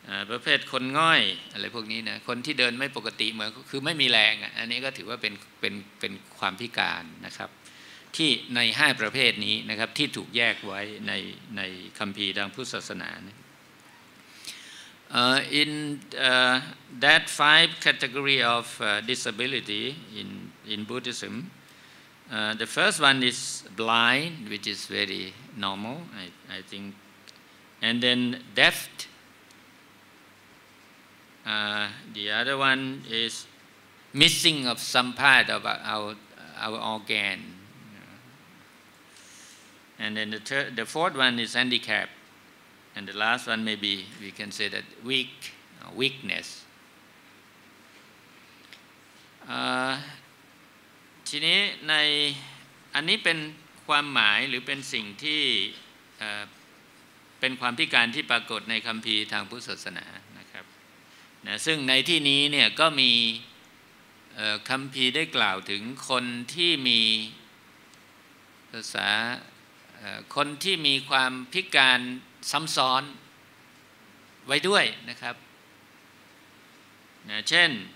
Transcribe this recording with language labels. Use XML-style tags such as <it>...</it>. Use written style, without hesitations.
<th>ประเภทคนง่อยอะไรพวกนี้นะคนที่เดินไม่ปกติเหมือนคือไม่มีแรงอันนี้ก็ถือว่าเป็นความพิการนะครับที่ใน5ประเภทนี้นะครับที่ถูกแยกไว้ในคัมภีร์ทางพุทธศาสนานะ</th> <en>in that 5 category of disability in Buddhismthe first one is blind, which is very normal, I think. And then deaf. The other one is missing of some part of our organ. And then the fourth one is handicap. And the last one, maybe we can say that weakness.</en> <th>ทีนี้ในอันนี้เป็นความหมายหรือเป็นสิ่งที่เป็นความพิการที่ปรากฏในคัมภีร์ทางพุทธศาสนานะครับนะซึ่งในที่นี้เนี่ยก็มีคัมภีร์ได้กล่าวถึงคนที่มีภาษาคนที่มีความพิการซ้ําซ้อนไว้ด้วยนะครับนะเช่น</th>